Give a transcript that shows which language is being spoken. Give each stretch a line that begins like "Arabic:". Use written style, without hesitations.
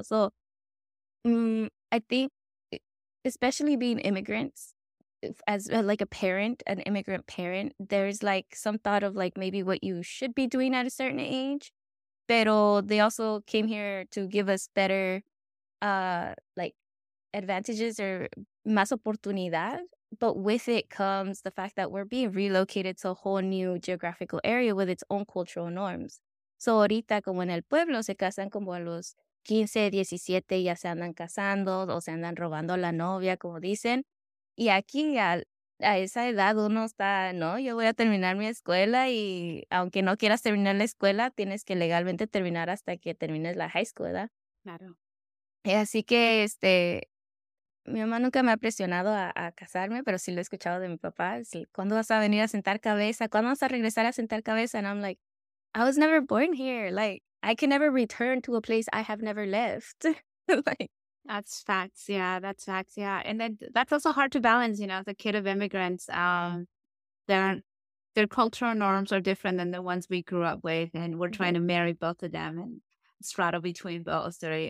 English: So I think, especially being immigrants, as like a parent, an immigrant parent, there's like some thought of like maybe what you should be doing at a certain age. Pero they also came here to give us better like advantages or
Spanish: más oportunidad,
English: but with it comes the fact that we're being relocated to a whole new geographical area with its own cultural norms.
Spanish: So ahorita como en el pueblo se casan como a los 15, 17 ya se andan casando o se andan robando la novia, como dicen. Y aquí a esa edad uno está, no, yo voy a terminar mi escuela y aunque no quieras terminar la escuela, tienes que legalmente terminar hasta que termines la high school, ¿verdad? Claro. Así que, mi mamá nunca me ha presionado a casarme, pero sí lo he escuchado de mi papá. Es, ¿cuándo vas a venir a sentar cabeza? ¿Cuándo vas a regresar a sentar cabeza?
English: And I'm like, I was never born here. Like, I can never return to a place I have never left. That's facts, yeah. That's facts, yeah. And then that's also hard to balance, you know, as a kid of immigrants. Their cultural norms are different than the ones we grew up with, and we're trying to marry both of them and straddle between both, right?